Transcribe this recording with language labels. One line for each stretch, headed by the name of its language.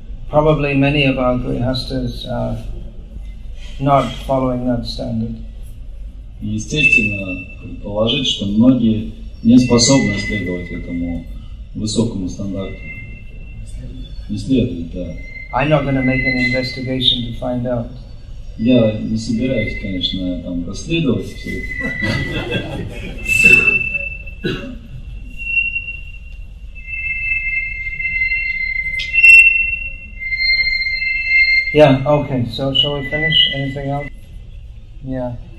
English: Probably many of our grihasthas are not following that standard.
Russian: Естественно, предположить, что многие не способны следовать этому высокому стандарту. Не следует, да.
English: I'm not going to make an investigation to find out.
Russian: Я не собираюсь, конечно, там расследовать все это.
English: Yeah, okay, so shall we finish? Anything else? Yeah.